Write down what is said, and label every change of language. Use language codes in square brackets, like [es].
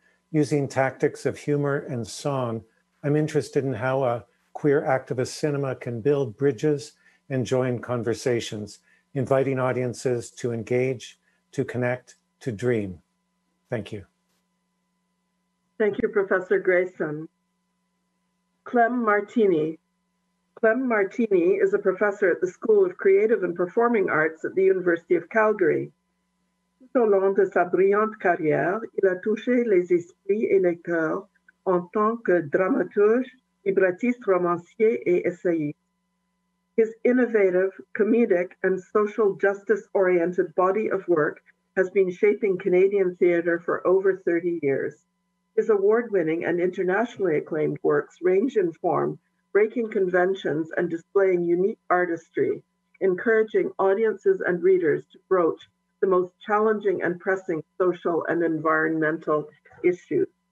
[en] Using tactics of humor and song, I'm interested in how a queer activist cinema can build bridges and join conversations, inviting audiences to engage, to connect, to dream. Thank you. Thank you, Professor Grayson. Clem Martini. Clem Martini is a professor at the School of Creative and Performing Arts at the University of Calgary. [fr] Tout au long de sa brillante carrière, il a touché les esprits et les cœurs en tant que dramaturge, librettiste, romancier et essayiste. [en] His innovative, comedic, and social justice-oriented body of work has been shaping Canadian theatre for over 30 years. His award-winning and internationally acclaimed works range in form, breaking conventions and displaying unique artistry, encouraging audiences and readers to broach the most challenging and pressing social and environmental issues.